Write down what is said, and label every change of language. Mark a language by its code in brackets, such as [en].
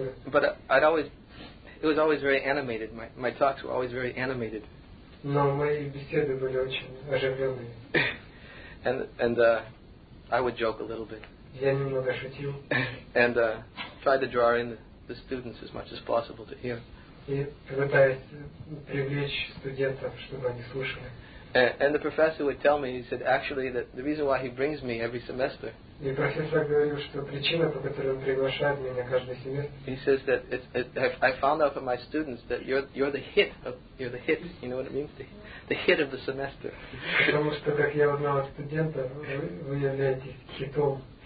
[en] But I'd always, it was always very animated. My talks were always very animated. [ru] Но мои беседы были очень оживленные. [en] And I would joke a little bit. [ru] Я немного шутил. [en] And try to draw in the students as much as possible to hear. [ru] И пытаюсь привлечь студентов, чтобы они слушали. [en] And the professor would tell me, he said, actually, that the reason why he brings me every semester. [ru] И профессор говорил, что причина, по которой он приглашает меня каждый семестр. [en] He says that I found out from my students that you're the hit of, you're the hit. You know what it means? The hit of the semester. [ru] Потому что, как я узнал от студента, вы являетесь хитом.